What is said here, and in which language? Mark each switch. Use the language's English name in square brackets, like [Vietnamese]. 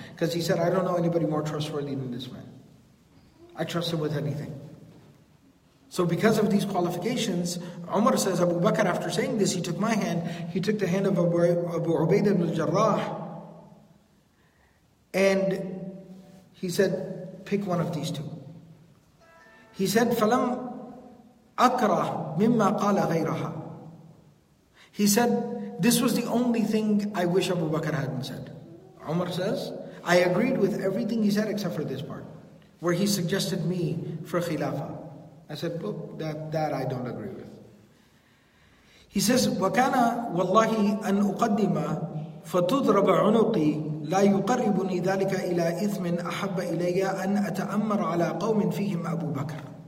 [English] Because he said, I don't know anybody more trustworthy than this man. I trust him with anything. So because of these qualifications, Umar says, Abu Bakr, after saying this, he took my hand, he took the hand of Abu Ubaidah ibn al-Jarrah, and he said, pick one of these two. He said, [Arabic] فَلَمْ أَكْرَهْ مِمَّا قَالَ غَيْرَهَا. [English] He said, this was the only thing I wish Abu Bakr hadn't said. Umar says, I agreed with everything he said except for this part, where he suggested me for khilafah. I said, look, that I don't agree with. He says, [Arabic] وَكَانَ وَاللَّهِ أَنْ أُقَدِّمَ فَتُضْرَبَ عُنُقِي لَا يُقَرِّبُنِي ذَلِكَ إِلَىٰ إِثْمٍ أَحَبَّ إِلَيَّ أَنْ أَتَأَمَّرْ عَلَىٰ قَوْمٍ فِيهِمْ أَبُو بَكْرٍ.